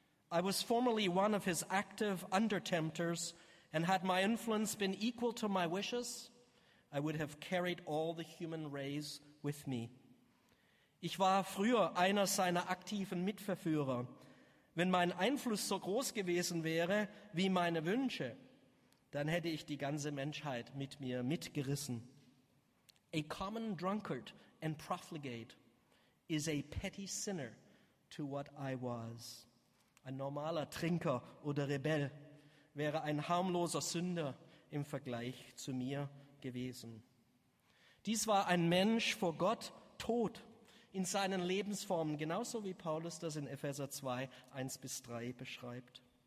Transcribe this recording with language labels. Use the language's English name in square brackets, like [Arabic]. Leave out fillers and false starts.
[English] I was formerly one of his active under-tempters, and had my influence been equal to my wishes, I would have carried all the human race with me. [German] Ich war früher einer seiner aktiven Mitverführer. Wenn mein Einfluss so groß gewesen wäre wie meine Wünsche, dann hätte ich die ganze Menschheit mit mir mitgerissen. [English] A common drunkard and profligate is a petty sinner to what I was. [German] Ein normaler Trinker oder Rebell wäre ein harmloser Sünder im Vergleich zu mir gewesen. Dies war ein Mensch vor Gott tot in seinen Lebensformen, genauso wie Paulus das in Epheser 2, 1 bis 3 beschreibt.